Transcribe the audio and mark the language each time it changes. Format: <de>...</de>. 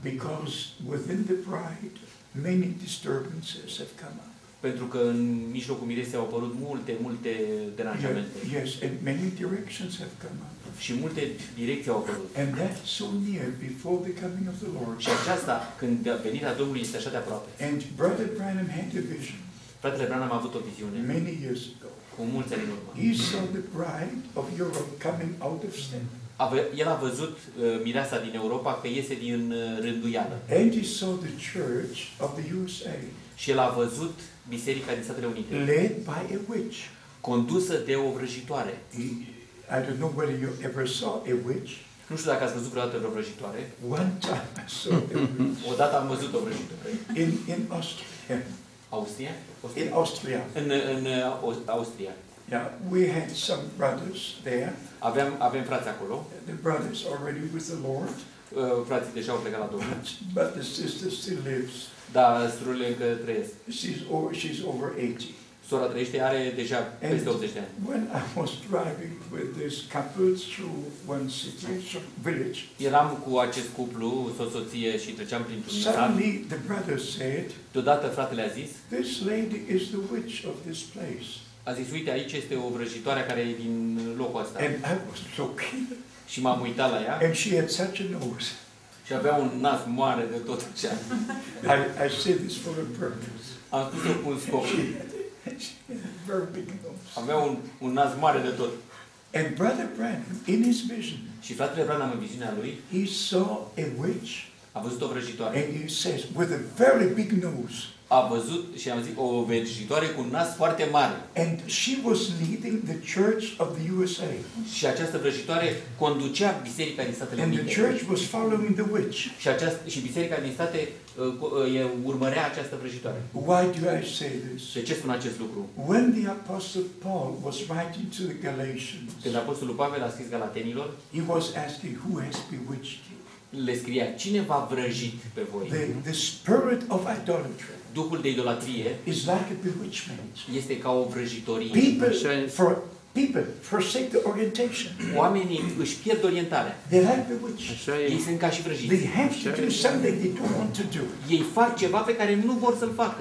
<en>Because within the bride, many disturbances have come up.</en> <ro>Pentru că în mijlocul mireasei au apărut multe deranjamente.</ro> <en>Yes, and many directions have come up.</en> <ro>Și multe direcții au apărut.</ro> <en>And that so near before the coming of the Lord.</en> <ro>Și aceasta, când venirea Domnului este așa de aproape.</ro> <en>And Brother Branham had a vision.</en> <ro>Fratele Branham a avut o viziune.</ro> <en>Many years ago.</en> <ro>Cu mulți ani în urmă.</ro> <en>He saw the bride of Europe coming out of sin.</en> <ro>El a văzut mireasa din Europa că iese din rânduială.</ro> <en>And he saw the church of the USA.</en> <ro>Și el a văzut biserica din Statele Unite.</ro> <en>Led by a witch.</en> <ro>Condusă de o vrăjitoare.</ro> <en>I don't know whether you ever saw a witch.</en> <ro>Nu știu dacă ați văzut vreodată o vrăjitoare.</ro> <en>One time I saw a witch.</en> <ro>Odată am văzut o vrăjitoare.</ro> <en>In Austria.</en> <ro>Austria?</ro> <en>In Austria.</en> <ro>În Austria.</ro> <en>Yeah, we had some brothers there.</en> <ro>Avem frați acolo.</ro> <en>The brothers already with the Lord.</en> <ro>Frații deja au plecat la Domnul.</ro> <en>But the sister still lives.</en> <ro>Da, surorile încă trăiesc.</ro> <en>She's over 80.</en> <ro>Sora trăiește, are deja peste 80 de ani.</ro> <en>When I was driving with this couple through one city, village.</en> <ro>Eram cu acest cuplu, soț-soție și treceam prin un sat.</ro> <en>Suddenly the brother said.</en> <ro>Deodată fratele a zis.</ro> <en>This lady is the witch of this place.</en> <ro>A zis, uite, aici este o vrăjitoare care e din locul ăsta.</ro> <en>And I was looking.</en> <ro>Și m-am uitat la ea.</ro> <en>And she had such a nose.</en> <ro>Și avea un nas mare de tot ce.</ro> <en>I said this for a purpose.</en> <ro>Am spus-o cu un scop.</ro> <en>She had very big nose.</en> <ro>Avea un nas mare de tot.</ro> <en>And Brother Branham, in his vision.</en> <ro>Și fratele Branham, în viziunea lui.</ro> <en>He saw a witch.</en> <ro>A văzut o vrăjitoare.</ro> <en>And he says, with a very big nose.</en> <ro>A văzut și am zis, o vrăjitoare cu un nas foarte mare.</ro> <en>And she was leading the church of the USA.</en> <ro>Și această vrăjitoare conducea biserica din Statele Unite.</ro> <en>And the church was following the witch.</en> <ro>Și biserica din state urmărea această vrăjitoare.</ro> <en>Why do I say this?</en> <ro>De ce spun acest lucru?</ro> <en>When the apostle Paul was writing to the Galatians.</en> <ro>Când apostolul Pavel a scris galatenilor,</ro> <en>he was asking who has bewitched you?</en> <ro>Le scria, cine v-a vrăjit pe voi?</ro> <en>The spirit of idolatry.</en> <ro>Duhul de idolatrie</ro> <en>is like a bewitchment.</en> <ro>Este ca o vrăjitorie.</ro> <en>People for People forsake the orientation.</en> <ro>Oamenii își pierd orientarea.</ro> <en>They're like bewitched.</en> <ro>Ei sunt ca și vrăjiți.</ro> <en>They have to do something they don't want to do.</en> <ro>Ei fac ceva pe care nu vor să-l facă.</ro>